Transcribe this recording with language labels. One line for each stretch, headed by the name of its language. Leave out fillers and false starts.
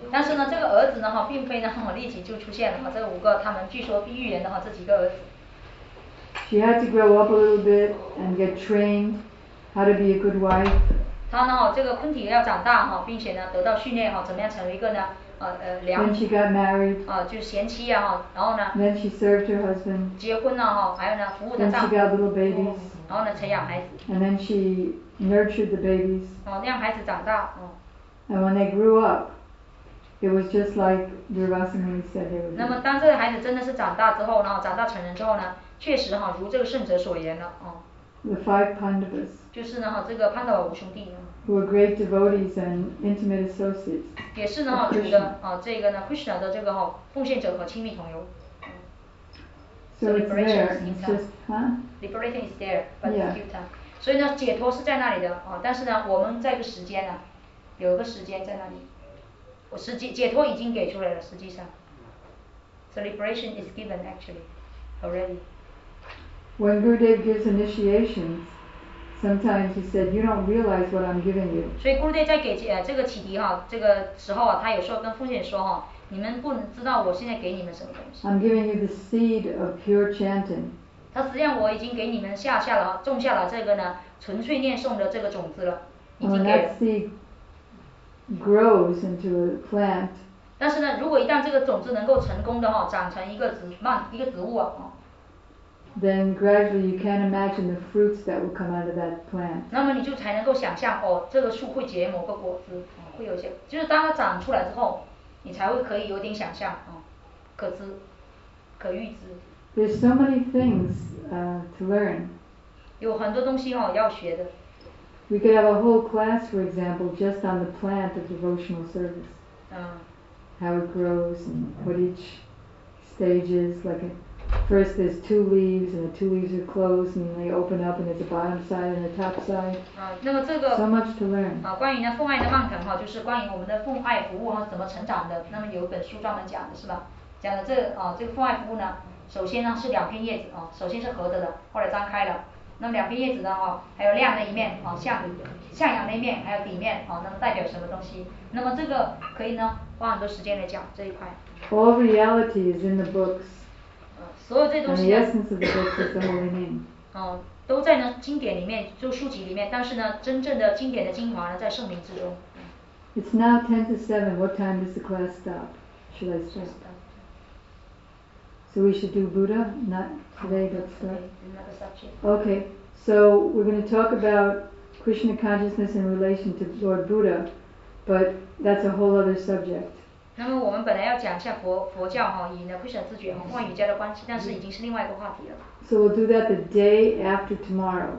Chinese: 但是呢，这个儿子呢哈，并非呢立即就出现了哈，这五个他们据说预言的哈，这几个儿子。
English: She had to grow up a little bit and get trained how to be a good wife.
Chinese: 她呢，这个昆蒂要长大哈，并且呢得到训练哈，怎么样成为一个呢？
English: When she got married.
Chinese: 就是贤妻呀哈，然后呢。
English: Then she served her husband.
Chinese: 结婚了哈，还有呢，服务她丈夫。
English: Then she got little babies.
Chinese: 然后呢，成养孩子。
English: And then she nurtured the babies.
Chinese: 让孩子长大。
English: And when they grew up, It was just like Durvasamuni said he would.
Chinese: 那么当这个孩子真的是长大之后呢，长大成人之后呢，确实哈，如这个圣者所言的，哦。
English: The five Pandavas.
Chinese: 就是呢哈，这个潘多瓦五兄弟。
English: Who were great devotees and intimate associates.
Chinese: 也是呢哈，这个啊，这个呢 ，Krishna 的这个哈，奉献者和亲密同游。
English: So it's there. It's just, huh? Liberation is there, but yeah. futile.
Chinese: 所以呢，解脱是在那里的啊，但是呢，我们在一个时间呢，有一个时间在那里。我实际解脱已经给出来了，实际上 ，
English: the liberation is given actually already. When Gurudev gives initiations, sometimes he said, "You don't realize what I'm giving you."
Chinese: 所以 Gurudev 在给这个启迪哈，这个时候啊，他有时候跟奉献说哈，你们不知道我现在给你们什么东西。
English: I'm giving you the seed of pure chanting.
Chinese: 他实际上我已经给你们种下了这个呢纯粹念诵的这个种子了，已经给了。
English: Grows into a plant.
Chinese: 但是呢，如果一旦这个种子能够成功的哈，长成一个植蔓一个植物啊。
English: Then gradually you can't imagine the fruits that will come out of that plant.
Chinese: 那么你就才能够想象哦，这个树会结某个果子，会有些，就是当它长出来之后，你才会可以有点想象啊，可知，可预知。
English: There's so many things to learn.
Chinese: 有很多东西哦要学的。
English: We could have a whole class, for example, just on the plant of devotional service. How it grows and what each stage is. Like, first there's two leaves, and the two leaves are closed, and they open up, and there's a bottom side and a top side.
Chinese: 那么这个
English: so much to learn.
Chinese: 关于呢奉爱的蔓藤哈，就是关于我们的奉爱服务哈怎么成长的。那么有一本书专门讲的是吧？讲的这这个奉爱服务呢，首先呢是两片叶子首先是合着的，后来张开了。那么两片叶子呢哈，还有亮的一面啊，向阳的一面，还有底面啊，那么代表什么东西？那么这个可以呢，花很多时间来讲这一块。
English: All reality is in the books.
Chinese: 所有这东西。
English: And the essence of the books is the holy name.
Chinese: 都在呢经典里面，就书籍里面，但是呢，真正的经典的精华呢，在圣名之中。
English: It's now 10:07. What time does the class stop? Should I stop? So we should do Buddha, not today, but start. Okay, so we're going to talk about Krishna consciousness in relation to Lord Buddha, but that's a whole other subject.
Chinese: 那么我们本来要讲一下佛教哈，以呢慧舍自觉和梵语教的关系，但是已经是另外一个话题了。
English: So we'll do that the day after tomorrow.